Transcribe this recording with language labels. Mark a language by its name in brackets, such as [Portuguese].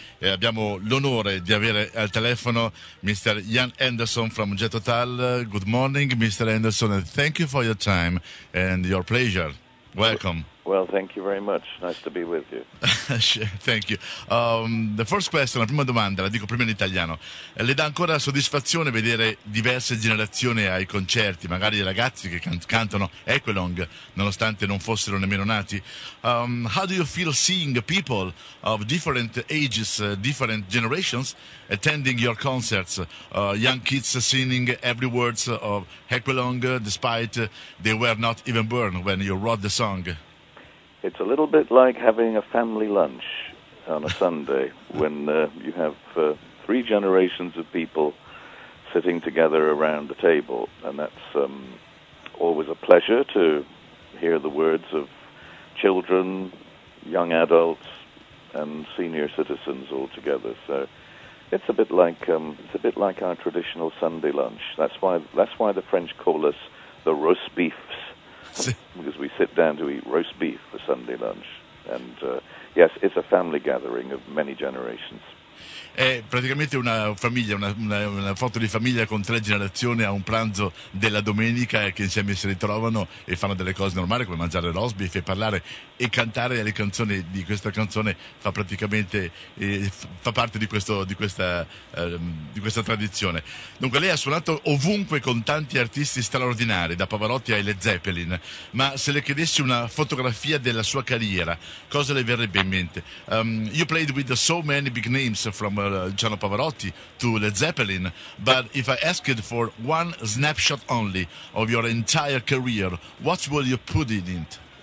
[Italian] E abbiamo l'onore di avere al telefono Mr. [English] Ian Anderson from Jethro Tull. Good morning, Mr. Anderson, and thank you for your time and your pleasure. Welcome. Well, thank you very much. Nice to be with you. Thank you. The first question, [Italian] la prima domanda, la dico prima in italiano. Le dà ancora soddisfazione vedere diverse generazioni ai concerti, magari i ragazzi che cantano Equilong, nonostante non fossero nemmeno nati? [English] How do you feel seeing people of different ages, different generations, attending your concerts? Young kids singing every word of Equilong, despite they were not even born when you wrote the song? It's a little bit like having a family lunch on a Sunday when you have three generations of people sitting together around the table. And that's always a pleasure to hear the words of children, young adults, and senior citizens all together. So it's a bit like our traditional Sunday lunch. That's why the French call us the roast beef. Because we sit down to eat roast beef for Sunday lunch, and yes, it's a family gathering of many generations. [Italian] È praticamente una famiglia, una foto di famiglia con tre generazioni a un pranzo della domenica che insieme si ritrovano e fanno delle cose normali come mangiare roast beef e parlare e cantare le canzoni di questa canzone. Fa praticamente fa parte di questo di questa tradizione. Dunque, lei ha suonato ovunque con tanti artisti straordinari, da Pavarotti ai Led Zeppelin, ma se le chiedessi una fotografia della sua carriera, cosa le verrebbe in mente? [English] You played with so many big names from Gianni Pavarotti to Led Zeppelin, but if I asked for one snapshot only of your entire career, what will you put in it?